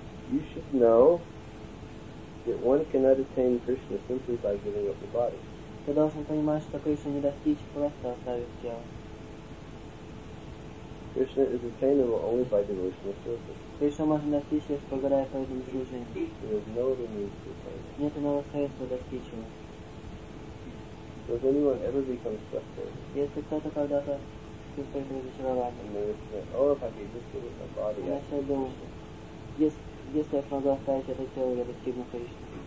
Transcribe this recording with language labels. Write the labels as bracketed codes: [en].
[en] You should know that one cannot attain Krishna simply by giving up the body. [ru] Ты должен понимать, что Кришна не достичь, просто оставив тело. [en] Krishna is attainable only by devotional service. [ru] Кришна можно достичь лишь благодаря этому служению. [en] There is no other means to attain. [ru] Нет иного средства достичь его. [en] Does anyone ever become frustrated? [ru] Если кто-то когда-то чувствует разочарование, [en] and they say, oh, if I could just give up my body, [ru] я все думаю, если я смогу оставить это тело, я достигну Кришны.